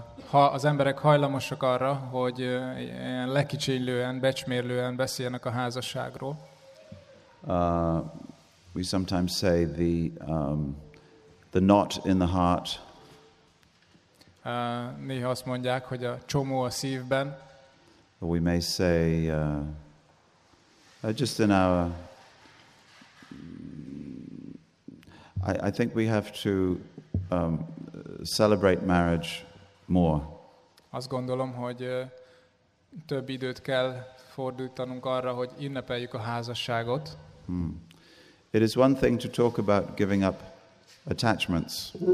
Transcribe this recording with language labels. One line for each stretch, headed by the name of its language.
Hungarian: Ha az emberek hajlamosak arra, hogy ilyen lekicsinylően, becsmérlően beszélnek a házasságról.
English: We sometimes say the knot in the heart.
Hungarian: Néha azt mondják, hogy a csomó a szívben.
English: Or we may say just in our I think we have to celebrate marriage more.
Hungarian: Azt gondolom, hogy több időt kell fordítanunk arra, hogy ünnepeljük a házasságot.
English: It is one thing to talk about giving up attachments.